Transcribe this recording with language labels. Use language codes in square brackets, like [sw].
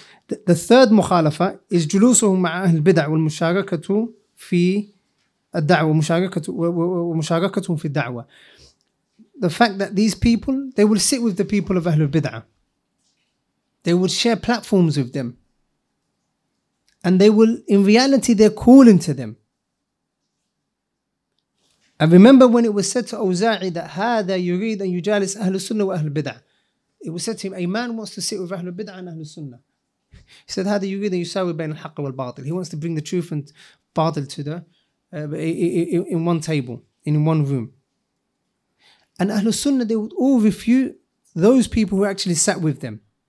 [en] The third [ar] مخالفة is جلوسهم مع أهل البدع والمشاركة في الدعوة ومشاركتهم في الدعوة. [en] The fact that these people, they will sit with the people of Ahlul Bid'ah. They will share platforms with them. And they will, in reality, they're calling to them. I remember when it was said to Awza'i that [ar] هذا يريد أن يجالس أهل السنة وأهل البدع. [en] It was said to him, a man wants to sit with Ahlul Bid'ah and Ahlul Sunnah. He said, [ar] هذا يريد أن يساوي بين الحق والباطل. [en] He wants to bring the truth and batil to the in one table, in one room. And Ahlul Sunnah, they would all refute those people who actually sat with them.